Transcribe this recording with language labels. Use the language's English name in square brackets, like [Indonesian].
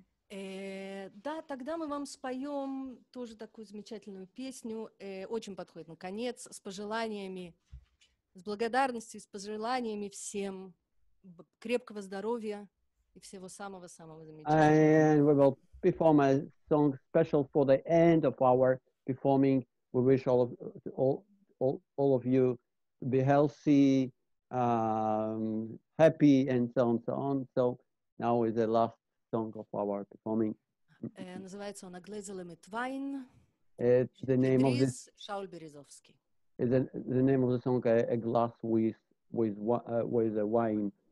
[Russian] Да, тогда мы вам споем тоже такую замечательную песню, очень подходит на конец, с пожеланиями, с благодарностью, с пожеланиями всем крепкого здоровья и всего самого-самого замечательного. [English] And we will perform a song special for the end of our performing. We wish all of you be healthy, happy, and so on, so on. So now is the last song of our performing. [Russian] Называется он «Оглезелыми твайн». [English] It's the name of this. [Russian] Шаул Березовский. [English] Is the name of the song a glass with a wine?